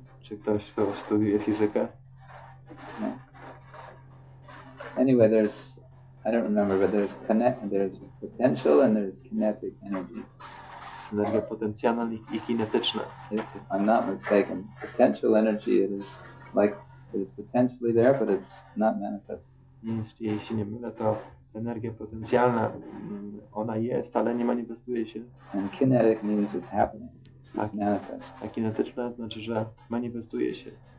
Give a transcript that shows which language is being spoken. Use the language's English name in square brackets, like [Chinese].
[Polish] Czy ktoś, kto studiuje fizykę? No. [English] Anyway, there's, I don't remember, but there's there's potential and there's kinetic energy. [Polish] Jest energia potencjalna i kinetyczna. [English] If I'm not mistaken, potential energy, it is like, it is potentially there, but it's not manifest. [Polish] Jeśli nie mylę, to energia potencjalna, ona jest, ale nie manifestuje się. [English] And kinetic means it's happening. [Polish] A kinetyczne znaczy, że manifestuje się.